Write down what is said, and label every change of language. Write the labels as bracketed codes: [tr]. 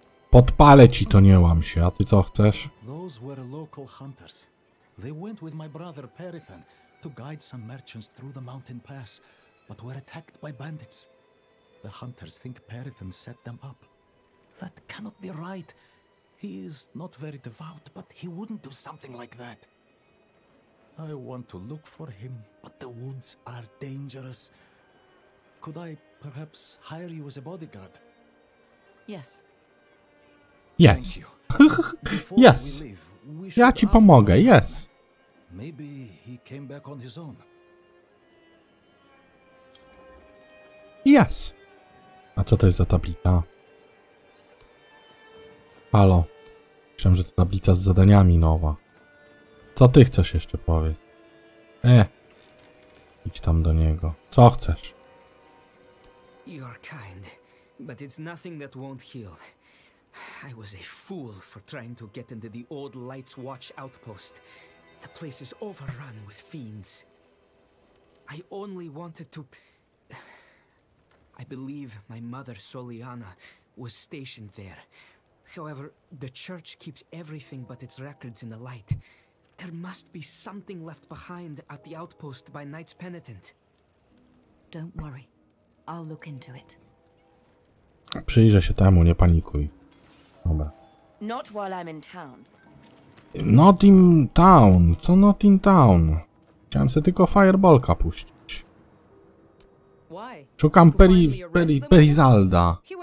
[pl] Podpalę ci to, nie łam się. A ty co chcesz? [en] Those were local hunters. They went with my brother Perithan to guide some merchants through the mountain pass, but were attacked by bandits. The hunters think Perithan set them up. That cannot be right. He is not very devout, but he wouldn't do something like that. I want to look for him, but the woods are dangerous. Could I perhaps hire you as a bodyguard? Yes. Yes. Yes. Leave, [pl] ja ci pomogę, [en] yes. Maybe he came back on his own. Yes. [pl] A co to jest za tablica? Halo. Myślałem, że to tablica z zadaniami nowa. Co ty chcesz jeszcze powiedzieć? Idź tam do niego. Co chcesz? [en] You're kind, but it's nothing that won't heal. I was a fool for trying to get into the old Light's Watch outpost. The place is overrun with fiends. I only wanted to... I believe my mother, Soliana, was stationed there. However, the church keeps everything but its records in the light. There must be something left behind at the outpost by Knight's Penitent. Don't worry. I'll look into it. [pl] Przyjrzę się temu, nie panikuj. Dobra. [en] Not while I'm in town. Not in town. Co not in town? [pl] Chciałem sobie tylko fireballka puścić. Szukam Perizalda.